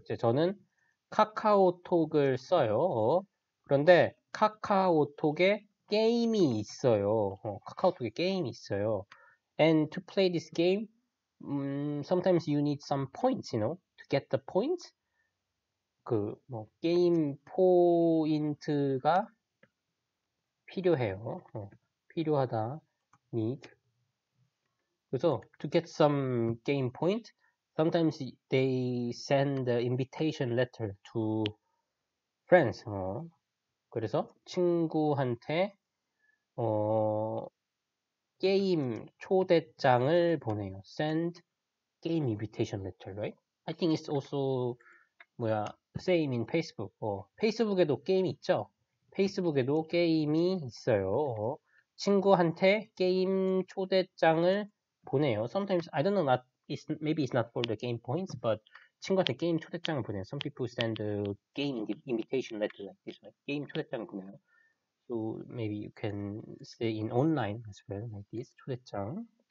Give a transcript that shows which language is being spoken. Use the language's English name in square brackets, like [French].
[Korean] 이제 저는 카카오톡을 써요. 그런데 카카오톡에 게임이 있어요. 카카오톡에 게임이 있어요. [English] And to play this game, sometimes you need some points, you know, to get the points. [Korean] 그, 뭐, 게임 포인트가 필요해요. 필요하다. need. [English] 그래서, to get some game point, sometimes they send the invitation letter to friends. [Korean] 그래서, 친구한테, 게임 초대장을 보내요. [English] send game invitation letter, right? I think it's also, 뭐야, same in Facebook. [Korean] 페이스북에도 게임 있죠? 페이스북에도 게임이 있어요. 친구한테 게임 초대장을 보내요. [English] Sometimes, I don't know, maybe it's not for the game points, but [Korean] 친구한테 게임 초대장을 보내요. [English] Some people send a game invitation letter like this, right? [Korean] 게임 초대장을 보내요. [English] So maybe you can say in online as well, like this, 초대장.